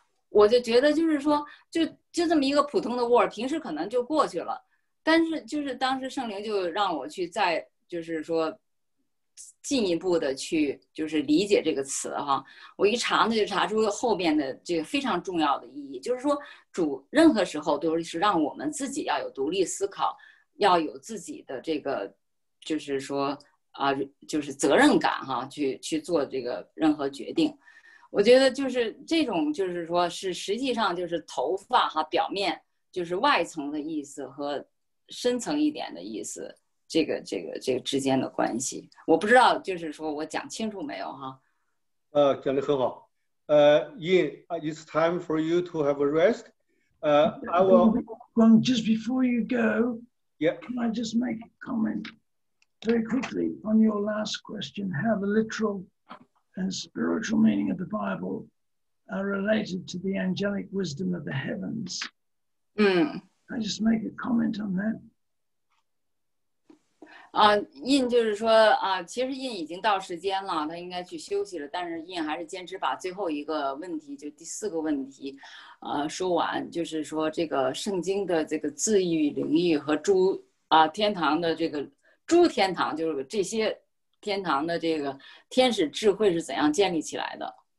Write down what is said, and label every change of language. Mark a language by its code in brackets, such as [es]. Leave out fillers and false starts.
[zh] 我就觉得就是说就这么一个普通的 word， 平时可能就过去了，但是就是当时圣灵就让我去再就是说进一步的去就是理解这个词哈，我一查呢就查出后面的这个非常重要的意义，就是说主任何时候都是让我们自己要有独立思考，要有自己的这个就是说啊，就是责任感哈，去做这个任何决定。我觉得就是这种就是说是实际上就是头发哈，表面就是外层的意思和深层一点的意思，这个之间的关系。我不知道就是说我讲清楚没有哈。讲得很好。 [en] It's time for you to have a rest. I will... Well, just before you go,、 yeah. can I just make a comment very quickly on your last question, how the literal and spiritual meaning of the Bible are related to the angelic wisdom of the heavens.、 Mm. Can I just make a comment on that? [zh] 印就是说其实印已经到时间了，他应该去休息了，但是印还是坚持把最后一个问题，就第四个问题说完，就是说这个圣经的这个自愈灵域和诸天堂的这个诸天堂，就是这些天堂的这个天使智慧是怎样建立起来的、